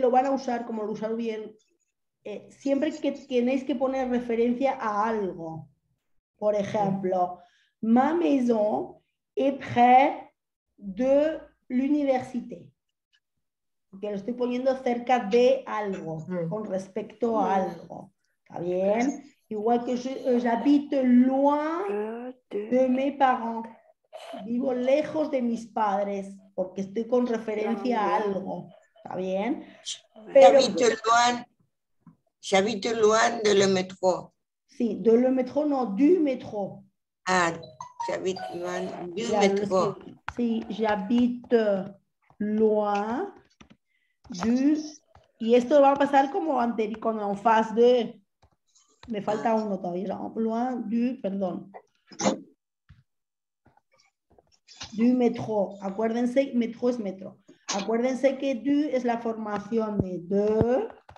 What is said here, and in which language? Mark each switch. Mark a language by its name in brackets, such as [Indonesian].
[Spanish] Lo van a usar como lo usaron bien. Siempre que tenéis que poner referencia a algo, por ejemplo, [French] ma maison est près de l'université, [Spanish] que lo estoy poniendo cerca de algo, con respecto a algo, ¿está bien? Igual que [French] j'habite loin de mes parents, [Spanish] vivo lejos de mis padres, porque estoy con referencia a algo, ¿está bien? Pero, [French] j'habite loin de le métro. Sí, de le métro, no, du métro. Ah, j'habite loin du métro. Sí, j'habite loin du... [Spanish] Y esto va a pasar como anterior, cuando en face de... Me falta uno todavía. Loin du, perdón. Du métro. Acuérdense, métro es metro. Acuérdense que du es la formación de...